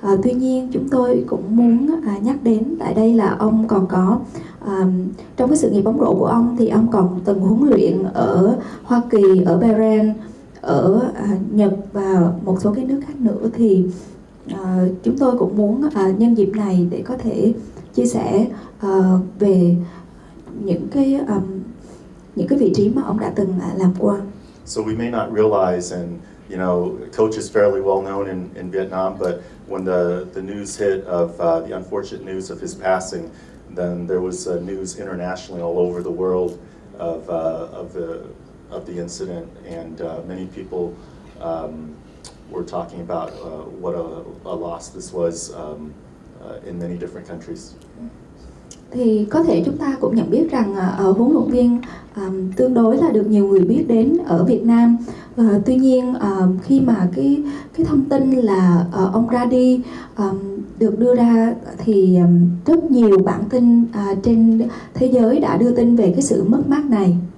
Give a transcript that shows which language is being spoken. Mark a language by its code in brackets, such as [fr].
[vi] Tuy nhiên, chúng tôi cũng muốn nhắc đến tại đây là ông còn có trong cái sự nghiệp bóng rổ của ông thì ông còn từng huấn luyện ở Hoa Kỳ, ở Bahrain, ở Nhật và một số cái nước khác nữa thì. Chúng tôi cũng muốn nhân dịp này để có thể chia sẻ về những cái vị trí mà ông đã từng làm qua. [en] So we may not realize, and you know, coach is fairly well known in Vietnam, but when the news hit of the unfortunate news of his passing, then there was news internationally all over the world of the incident, and many people. We're talking about what a loss this was in many different countries. [vi] thì có thể chúng ta cũng nhận biết rằng ở huấn luyện viên tương đối là được nhiều người biết đến ở Việt Nam. Tuy nhiên khi mà cái thông tin là ông ra đi được đưa ra thì rất nhiều bản tin trên thế giới đã đưa tin về cái sự mất mát này.